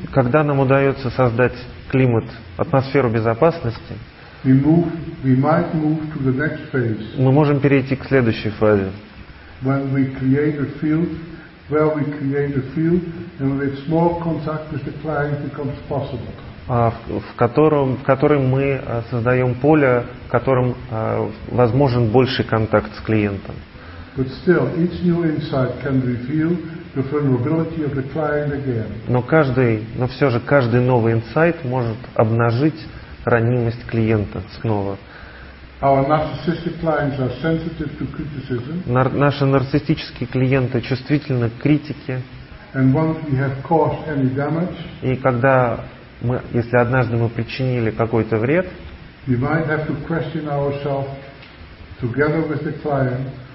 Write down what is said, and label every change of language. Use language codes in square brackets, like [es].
[ru] когда нам удается создать климат, атмосферу безопасности, мы можем перейти к следующей фазе, в котором мы создаем поле, в котором возможен больший контакт с клиентом. [en] But still, each new insight can reveal the vulnerability of the client again. [ru] Но все же каждый новый инсайт может обнажить ранимость клиента снова. [en] Our narcissistic clients are sensitive to criticism. [ru] Наши нарциссические клиенты чувствительны к критике. [en] And once we have caused any damage, [ru] если однажды мы причинили какой-то вред, [en] we might have to question ourselves together with the client.